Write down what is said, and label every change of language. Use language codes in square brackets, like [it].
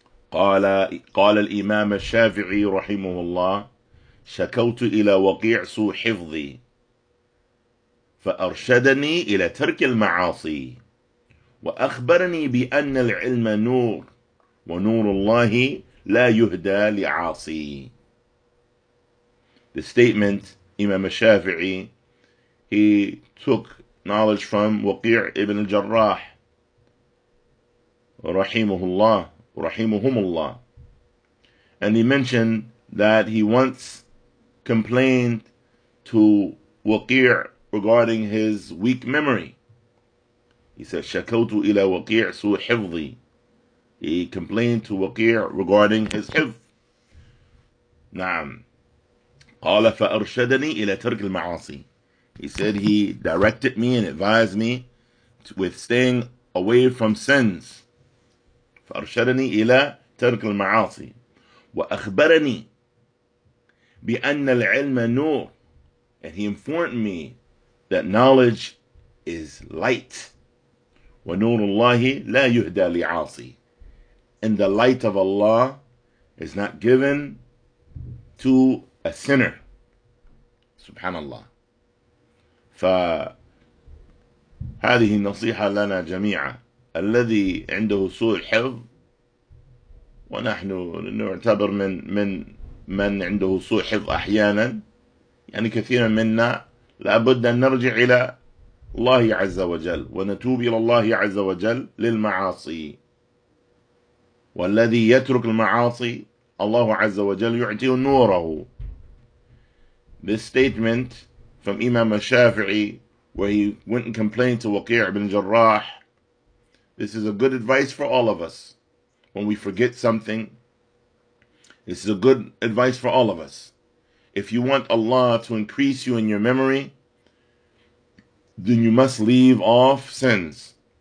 [ar] قال الإمام الشافعي رحمه الله: شكوت إلى وقيع سوء حفظي فأرشدني إلى ترك المعاصي وأخبرني بأن العلم نور ونور الله لا يهدى لعاصي. [en] The statement, Imam al-Shafi'i, he took knowledge from Waqi' ibn al-Jarrah, rahimuhullah, rahimuhumullah. And he mentioned that he once complained to Waqi' regarding his weak memory. He said, [ar] shakawtu ila Waqi' su hifzi. [en] He complained to Waqi' regarding his hifz. [ar] Naam. قال فأرشدني إلى ترك المعاصي. [en] He said he directed me and advised me with staying away from sins. [ar] فأرشدني إلى ترك المعاصي. وأخبرني بأن العلم نور. [en] And he informed me that knowledge is light. [ar] ونور الله لا يهدى لعاصي. [en] And the light of Allah is not given to a sinner. [ar] سبحان الله. فهذه نصيحة لنا جميعا، الذي عنده سوء حفظ، ونحن نعتبر من عنده سوء حفظ أحيانا، يعني كثيرا منا، لابد أن نرجع إلى الله عز وجل ونتوب إلى الله عز وجل للمعاصي. والذي يترك المعاصي الله عز وجل يعطيه نوره. [en] This statement from Imam al-Shafi'i, where he went and complained to Waqi' ibn Jarrah, this is a good advice for all of us. When we forget something, this is a good advice for all of us. If you want Allah to increase you in your memory, then you must leave off sins.